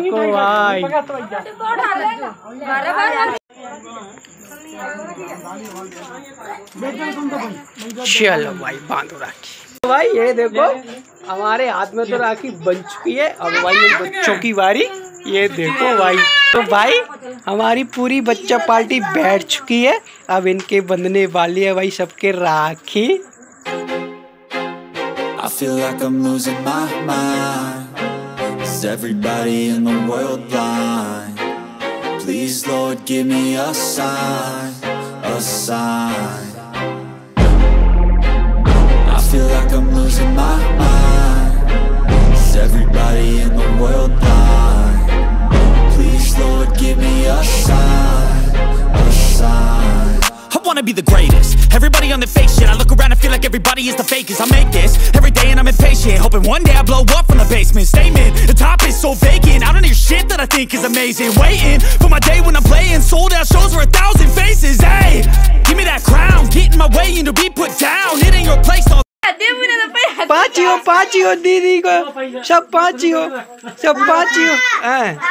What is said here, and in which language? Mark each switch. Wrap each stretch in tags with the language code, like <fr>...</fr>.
<hi>देखो भाई चलो भाई बांधो राखी। तो भाई ये देखो हमारे हाथ में तो राखी बन चुकी है। अब भाई बच्चों की बारी ये देखो भाई, तो भाई हमारी पूरी बच्चा पार्टी बैठ चुकी है, अब इनके बंधने वाली है भाई सबके राखी।</hi> <en>I feel like I'm losing my mind. Is everybody in the world blind? Please, Lord, give me a sign, a sign. I feel like I'm losing my mind. Is everybody in the world blind? Please, Lord, give me a sign, a sign. I wanna be the greatest. Everybody on the fake shit. I look around and feel like everybody is the fakest. I make this every day and I'm impatient, hoping one day I blow up from the basement. Statement, the top is so vacant. I don't hear shit that I think is amazing. Waiting for my day when I'm playing sold out shows for 1,000 faces. Hey, give me that crown. Get in my way and you'll be put down. It ain't your place. No.</en> <hi>पाँची हो, पाँची हो, दीदी को सब पाँची हो, सब पाँची हो, हैं।</hi>